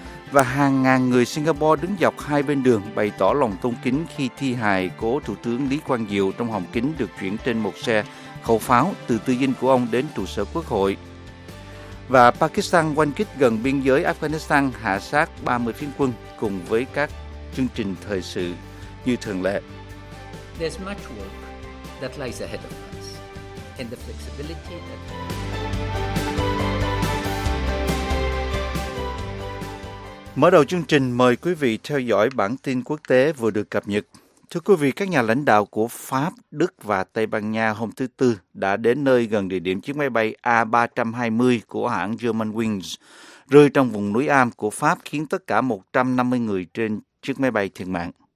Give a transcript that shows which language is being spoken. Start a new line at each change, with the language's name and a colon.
Vietnamese: Và hàng ngàn người Singapore đứng dọc hai bên đường bày tỏ lòng tôn kính khi thi hài cố Thủ tướng Lý Quang Diệu trong hồng kính được chuyển trên một xe khẩu pháo từ tư dinh của ông đến trụ sở Quốc hội. Và Pakistan oanh kích gần biên giới Afghanistan hạ sát 30 phiến quân cùng với các chương trình thời sự như thường lệ.
English: There's much work that lies ahead of us, and the flexibility that...
Vietnamese: Mở đầu chương trình, mời quý vị theo dõi bản tin quốc tế vừa được cập nhật. Thưa quý vị, các nhà lãnh đạo của Pháp, Đức và Tây Ban Nha hôm thứ Tư đã đến nơi gần địa điểm chiếc máy bay A320 của hãng Germanwings rơi trong vùng núi Alm của Pháp, khiến tất cả 150 người trên chiếc máy bay thiệt mạng.